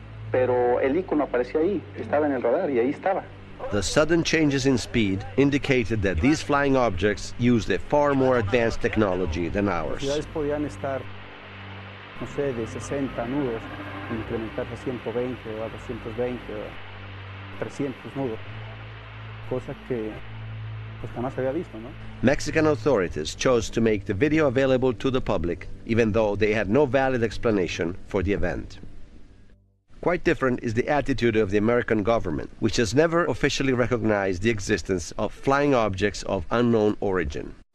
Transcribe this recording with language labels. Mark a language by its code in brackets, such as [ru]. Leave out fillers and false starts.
[es] Pero el icono aparecía ahí, estaba en el radar y ahí estaba. [en] The sudden changes in speed indicated that these flying objects used a far more advanced technology than ours. [es] Las velocidades podían estar, no sé, de 60 nudos. Incrementar a 120 o a 220 o a 300 nudos, cosa que pues jamás había visto, ¿no? [en] Mexican authorities chose to make the video available to the public, even though they had no valid explanation for the event. Quite different is the attitude of the American government, which has never officially recognized the existence of flying objects of unknown origin.